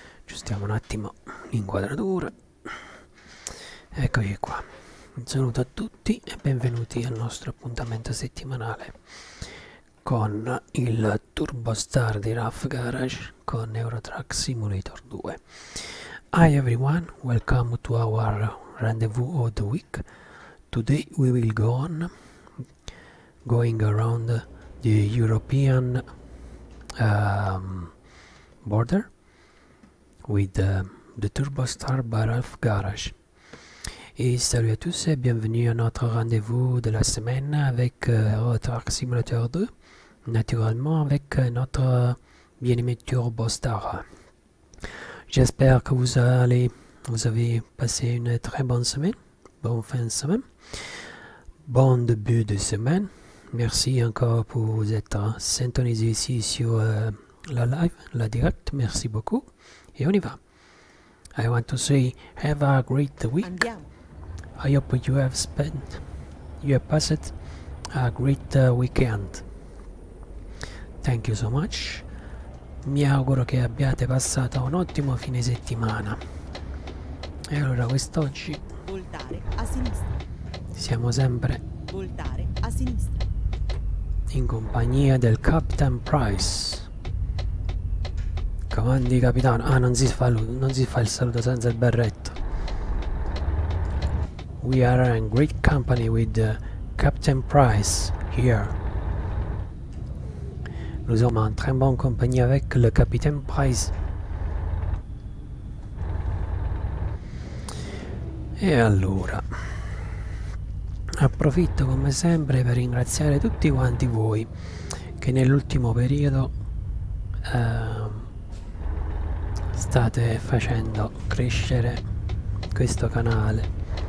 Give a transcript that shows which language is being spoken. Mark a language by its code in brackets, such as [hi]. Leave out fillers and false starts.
[it] Aggiustiamo un attimo l'inquadratura. Eccoci qua. Un saluto a tutti e benvenuti al nostro appuntamento settimanale con il Turbo Star di Ralph Garage con Eurotruck Simulator 2. [en] Hi everyone, welcome to our rendezvous of the week. Today we will going around the European border with the Turbo Star by Ralph Garage. [fr] Et salut à tous et bienvenue à notre rendez-vous de la semaine avec Eurotruck Simulator 2, naturellement avec notre bien-aimé Turbo Star. J'espère que vous avez passé une très bonne semaine, bonne fin de semaine. Bon début de semaine. Merci encore pour être syntonisé ici sur la live, la direct. Merci beaucoup. Et on y va. [en] I want to say, have a great week. [it] Andiamo. [en] I hope you have spent, you have passed a great weekend. Thank you so much. [it] Mi auguro che abbiate passato un ottimo fine settimana. E allora, quest'oggi Voltare a sinistra. siamo sempre Voltare a sinistra. in compagnia del Captain Price. Comandi, capitano. Ah, non si fa il saluto senza il berretto. [en] We are in great company with Captain Price here. [fr] Nous sommes en très bonne compagnie avec le Capitaine Price. [it] E allora, approfitto come sempre per ringraziare tutti quanti voi che nell'ultimo periodo state facendo crescere questo canale.